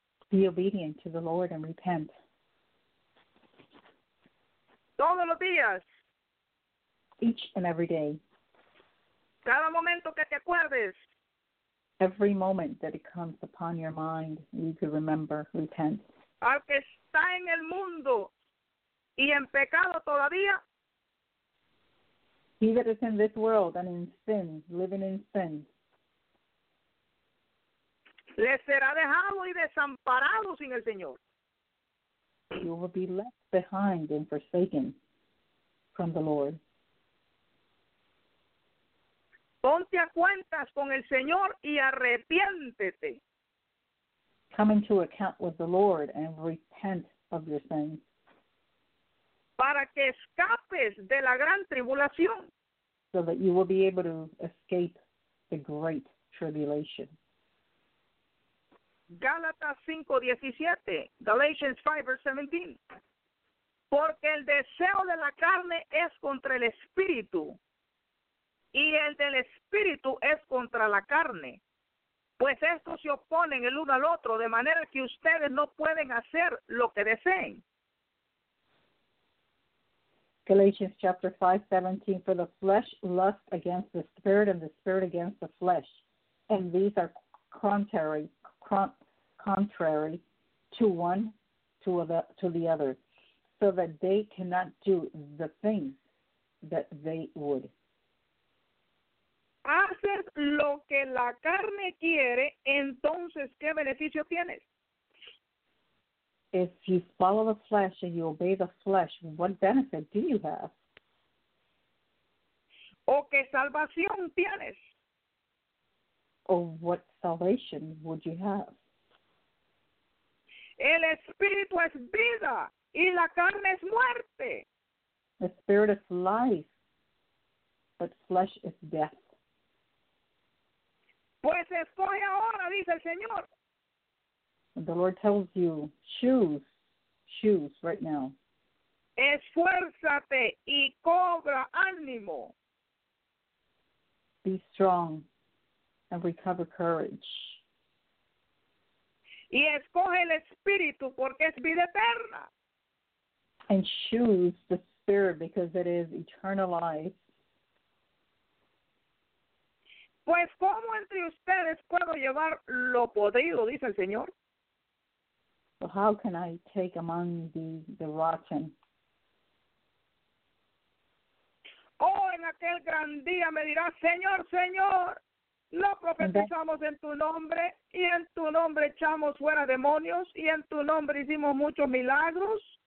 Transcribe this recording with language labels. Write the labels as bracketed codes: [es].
[en] Be obedient to the Lord and repent. [es] Todos los días. [en] Each and every day. [es] Cada momento que te acuerdes. [en] every moment that it comes upon your mind, you can remember, repent. [es] Aunque está en el mundo y en pecado todavía. [en] He that is in this world and in sin, living in sin. [es] Le será dejado y desamparado sin el Señor. [en] You will be left behind and forsaken from the Lord. [es] Ponte a cuentas con el Señor y arrepiéntete. [en] Come into account with the Lord and repent of your sins. [es] Para que escapes de la gran tribulación. [en] So that you will be able to escape the great tribulation. [es] Gálatas 5:17, Galatians 5:17. Porque el deseo de la carne es contra el espíritu, y el del espíritu es contra la carne. Pues estos se oponen el uno al otro, de manera que ustedes no pueden hacer lo que deseen. [en] Galatians 5:17, for the flesh lusts against the spirit, and the spirit against the flesh. And these are contrary to one to the other, so that they cannot do the things that they would. [es] Haces lo que la carne quiere, entonces, ¿qué beneficio tienes? [en] If you follow the flesh and you obey the flesh, what benefit do you have? [es] ¿O qué salvación tienes? [en] Or what salvation would you have? [es] El espíritu es vida y la carne es muerte. [en] The spirit is life, but flesh is death. [es] Pues escoge ahora, dice el Señor. [en] The Lord tells you, choose right now. [es] Esfuérzate y cobra ánimo. [en] Be strong and recover courage. [es] Y escoge el Espíritu porque es vida eterna. [en] And choose the Spirit because it is eternal life. [es] Pues, ¿cómo entre ustedes puedo llevar lo podrido? Dice el Señor. [en] Well, how can I take among the rotten? [es] Oh, en aquel gran día me dirás, Señor, Señor, no profetizamos en tu nombre, y en tu nombre echamos fuera demonios, y en tu nombre hicimos muchos milagros.